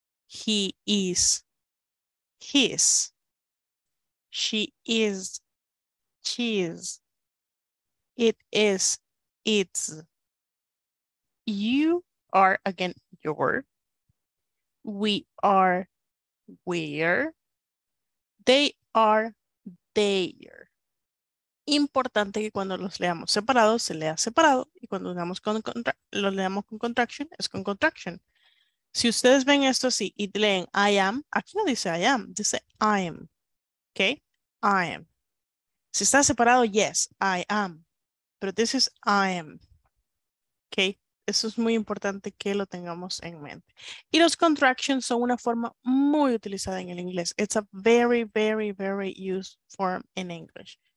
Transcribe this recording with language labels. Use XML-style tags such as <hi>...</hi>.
<en>he is, his, she is, she's, it is, it's, you are, again, your, we are, where, they are, there.</en> <es>Importante que cuando los leamos separados, se lea separado, y cuando leamos los leamos con contraction, es con contraction. Si ustedes ven esto así y leen I am, aquí no dice I am, dice I am.</es> <en>Ok, I am.</en> <es>Si está separado,</es> <en>yes, I am.</en> <es>Pero</es> <en>this is I am.</en> <es>Ok, eso es muy importante que lo tengamos en mente. Y los contractions son una forma muy utilizada en el inglés.</es> <en>It's a very, very, very used form in English.</en>